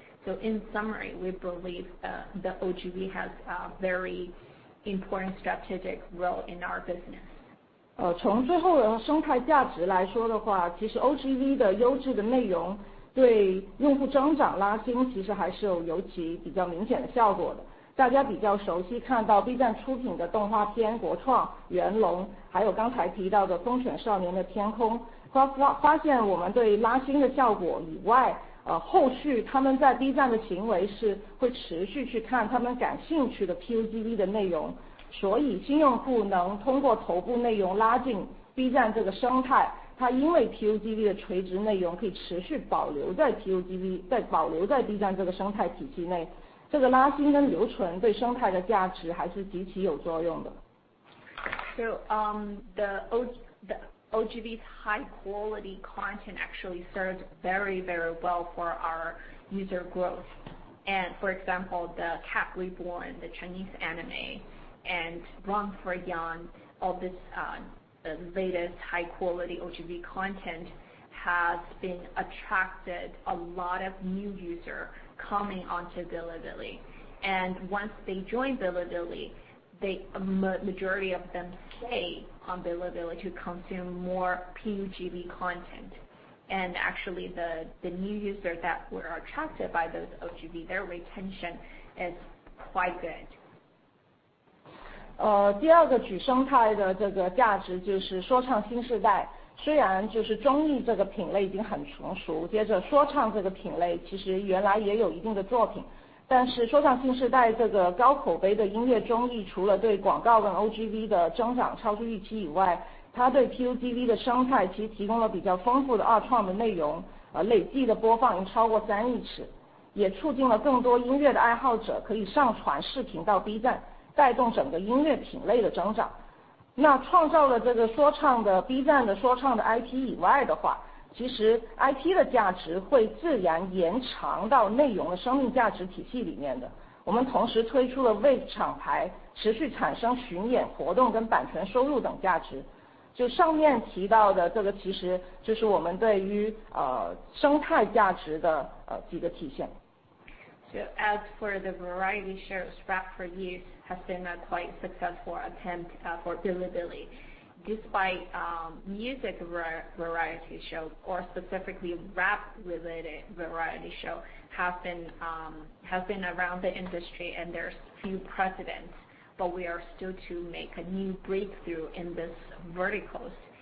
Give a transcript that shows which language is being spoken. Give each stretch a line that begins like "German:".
English: So in summary, we believe the OGV has a very important strategic role in our business.
Chinese: 从最后的生态价值来说的话，其实 OGV 的优质的内容对用户增长拉新其实还是有尤其比较明显的效果的。大家比较熟悉看到 B 站出品的动画片《国创》《元龙》，还有刚才提到的《风犬少年的天空》，发现我们对拉新的效果以外，后续他们在 B 站的行为是会持续去看他们感兴趣的 PUGV 的内容。所以新用户能通过头部内容拉进 B 站这个生态，它因为 PUGV 的垂直内容可以持续保留在 PUGV， 在保留在 B 站这个生态体系内，这个拉新跟留存对生态的价值还是极其有作用的。
English: So, the OGV's high quality content actually served very, very well for our user growth. And for example, the Cat Reborn, the Chinese anime. And Run for Young, all this latest high-quality OGV content has been attracted a lot of new users coming onto Bilibili. And once they join Bilibili, the majority of them stay on Bilibili to consume more PUGV content. And actually, the new users that were attracted by those OGV, their retention is quite good.
Chinese: 第二个举生态的这个价值就是说唱新时代，虽然就是综艺这个品类已经很成熟，接着说唱这个品类其实原来也有一定的作品，但是说唱新时代这个高口碑的音乐综艺除了对广告跟 OGV 的增长超出预期以外，它对 PUGV 的生态其实提供了比较丰富的二创的内容，累计的播放已经超过3亿次，也促进了更多音乐的爱好者可以上传视频到 B 站，带动整个音乐品类的增长。那创造了这个说唱的 B 站的说唱的 IP 以外的话，其实 IP 的价值会自然延长到内容的生命价值体系里面的。我们同时推出了为厂牌持续产生巡演活动跟版权收入等价值。就上面提到的这个，其实就是我们对于生态价值的几个体现。
English: So as for the variety shows, Rap for Youth has been a quite successful attempt for Bilibili. Despite music variety show, or specifically rap-related variety show, has been around the industry and there's few precedents, but we are still to make a new breakthrough in this verticals.